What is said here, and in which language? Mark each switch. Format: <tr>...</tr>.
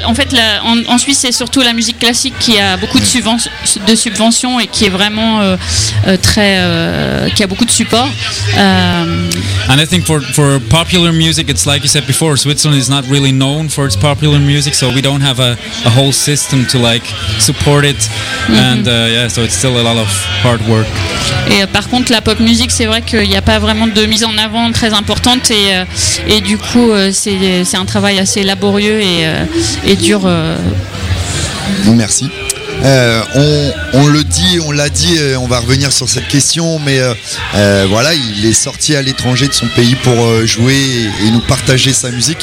<fr>En fait, en Suisse, c'est surtout la musique classique qui a beaucoup de subventions et qui est vraiment très, qui a beaucoup de support.</fr> <en>And I think for popular music, it's like you said before, Switzerland is not really known for its popular music, so we don't have a whole system to like support it. Mm-hmm. And yeah, so it's still a lot of hard work.</en> <fr>Et par contre, la pop musique, c'est vrai qu'il n'y a pas vraiment de mise en avant très importante et du coup, c'est un travail assez laborieux et dur. Merci. On le dit, on l'a dit, on va revenir sur cette question, mais voilà, il est sorti à l'étranger de son pays pour jouer et nous partager sa musique.</fr>